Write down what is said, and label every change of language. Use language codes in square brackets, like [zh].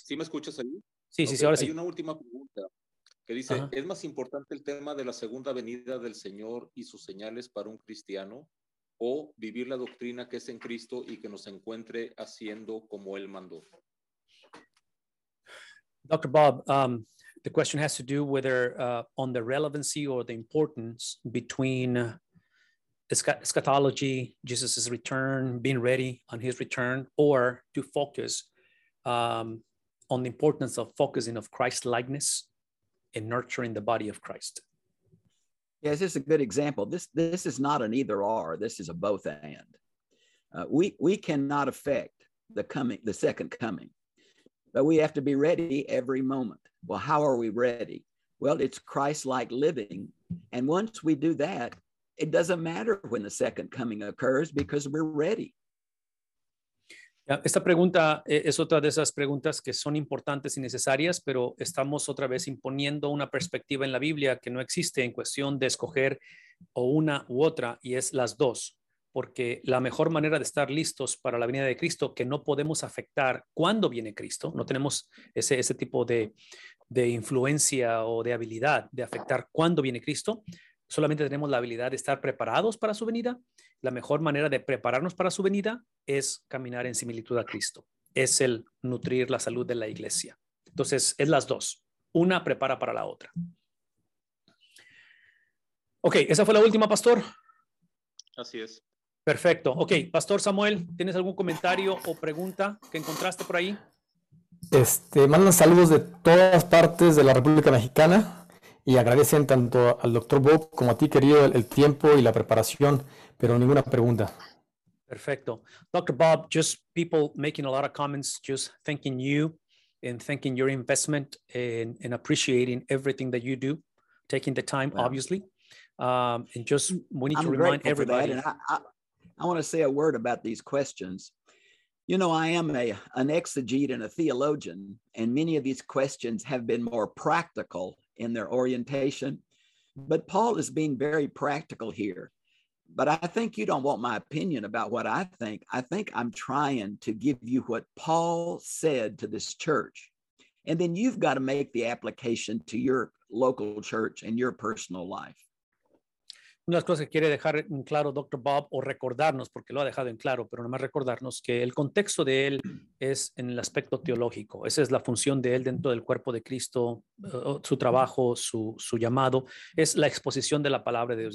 [es] ¿Sí me escuchas ahí? Sí, okay, sí, ahora sí. Hay una última pregunta que dice, ajá, ¿es más importante el tema de la segunda venida del Señor y sus señales para un cristiano o vivir la doctrina que es en Cristo y que nos encuentre haciendo como Él mandó? Dr. [en] Bob, the question has to do whether on the relevancy or the importance between eschatology, Jesus' return, being ready on his return, or to focus on the importance of focusing of Christ's likeness and nurturing the body of Christ. Yes, this is a good example. This is not an either or, this is a both and. We cannot affect the second coming, but we have to be ready every moment. Well, how are we ready? Well, it's Christ-like living. And once we do that, it doesn't matter when the second coming occurs because we're ready. [es] Esta pregunta es otra de esas preguntas que son importantes y necesarias, pero estamos otra vez imponiendo una perspectiva en la Biblia que no existe en cuestión de escoger o una u otra, y es las dos. Porque la mejor manera de estar listos para la venida de Cristo, que no podemos afectar cuando viene Cristo, no tenemos ese tipo de influencia o de habilidad de afectar cuando viene Cristo, solamente tenemos la habilidad de estar preparados para su venida. La mejor manera de prepararnos para su venida es caminar en similitud a Cristo. Es el nutrir la salud de la iglesia. Entonces, es las dos. Una prepara para la otra. Ok, esa fue la última, pastor. Así es. Perfecto. Ok, pastor Samuel, ¿tienes algún comentario o pregunta que encontraste por ahí? Mandan saludos de todas partes de la República Mexicana. Y agradecen tanto al Dr. Bob como a ti, querido, el tiempo y la preparación, pero ninguna pregunta. Perfecto. [en] Dr. Bob, just people making a lot of comments, just thanking you in thanking your investment and in appreciating everything that you do, taking the time, well, obviously. And just we need I'm to remind everybody. And I want to say a word about these questions. You know, I am an exegete and a theologian, and many of these questions have been more practical in their orientation. But Paul is being very practical here. But I think you don't want my opinion about what I think. I think I'm trying to give you what Paul said to this church. And then you've got to make the application to your local church and your personal life. [es] Una de las cosas que quiere dejar en claro Dr. Bob, o recordarnos, porque lo ha dejado en claro, pero nomás recordarnos que el contexto de él es en el aspecto teológico. Esa es la función de él dentro del cuerpo de Cristo, su trabajo, su llamado, es la exposición de la palabra de Dios.